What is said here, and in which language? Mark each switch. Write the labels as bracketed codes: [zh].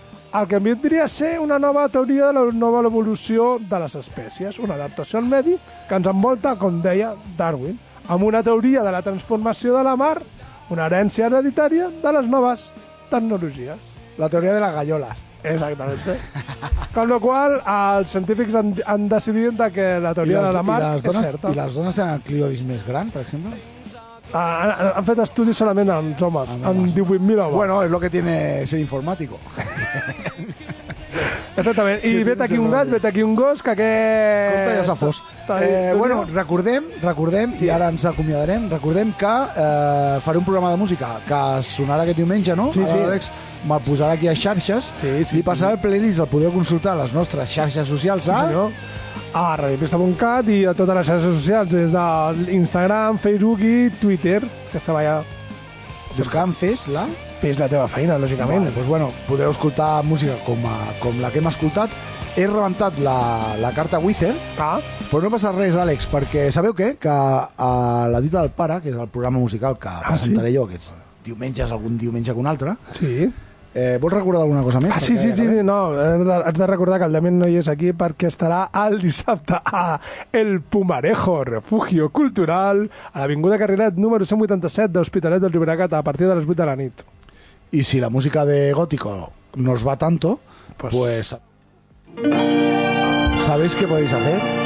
[ca] El que vindria a ser una nova teoria de la nova evolució de les espècies, una adaptació al medi que ens envolta, com deia Darwin, amb una teoria de la transformació de la mar, una herència hereditària de les noves tecnologies. La teoria de les gallolas. Exactament. Com la qual els científics han decidit que la teoria de la mar és certa. I les dones tenen el clítoris més gran, per exemple? Han fet estudis solament amb homes, amb 18.000 homes. [es] Bueno, es lo que tiene ser informático. [ca] Exactament. I vet aquí un gat, vet aquí un gos, que aquest... Compte, ja s'ha fos. Bueno, recordem, sí. I ara ens acomiadarem, recordem que faré un programa de música que sonarà aquest diumenge, no? Sí, sí. Alex me'l posarà aquí a xarxes, sí, i passarà el playlist, el podreu consultar a les nostres xarxes socials, sí, senyor. A radiopista.cat i a totes les xarxes socials, des d'Instagram, Facebook i Twitter, que estava allà. Buscant Fes la teva feina, lògicament. Doncs bueno, podreu escoltar música com la que hem escoltat. He rebentat la carta Wither, però no passa res, Àlex, perquè sabeu què? Que a la dita del pare, que és el programa musical que presentaré jo, aquests diumenges, algun diumenge que un altre... Sí. Vols recordar alguna cosa més? No, has de recordar que el Damien no hi és aquí perquè estarà el dissabte a El Pumarejo, refugio cultural, a l'avinguda Carrilet número 187 d'Hospitalet del Llobregat a partir de les 8 de la nit. [es] I si la música de Gótico no os va tanto, pues... ¿Sabéis qué podéis hacer?